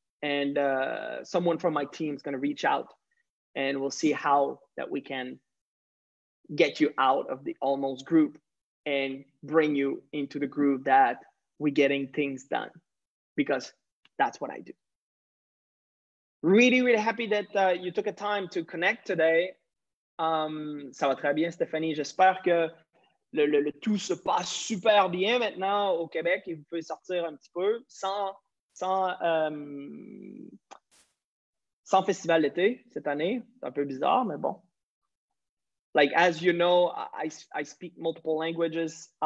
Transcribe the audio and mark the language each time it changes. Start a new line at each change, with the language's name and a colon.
English: And someone from my team is going to reach out and we'll see how that we can get you out of the almost group and bring you into the group that we're getting things done, because that's what I do. Really, really happy that you took a time to connect today.
French: Ça va très bien, Stéphanie. J'espère que le tout se passe super bien maintenant au Québec et vous pouvez sortir un petit peu sans festival d'été cette année. C'est un peu bizarre, mais bon.
English: Like, as you know, I speak multiple languages.